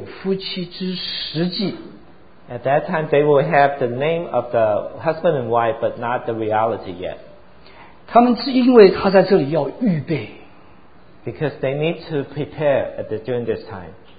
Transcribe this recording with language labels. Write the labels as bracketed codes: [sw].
[zh] 他们有夫妻之名却没有夫妻之实际。 [en] At that time they will have the name of the husband and wife but not the reality yet. [zh] 他们是因为他在这里要预备。 [en] Because they need to prepare during this time.